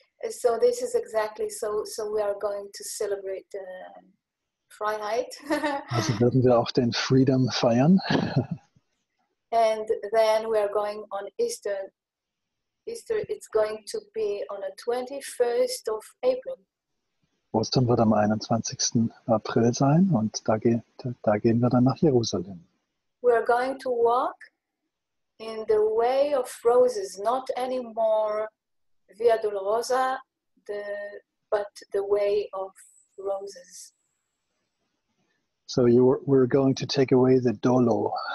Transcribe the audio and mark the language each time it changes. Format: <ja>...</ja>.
<en>So this is exactly so we are going to celebrate the Freiheit.</en> <de>Also werden wir auch den Freedom feiern.</de> <en>And then we are going on Easter. Easter is going to be on the 21st of April.</en> <de>Ostern wird am 21. April sein und da gehen wir dann nach Jerusalem.</de> <en>We are going to walk in the way of roses, not anymore Via Dolorosa, but the way of roses. So we're going to take away the dolo.</en>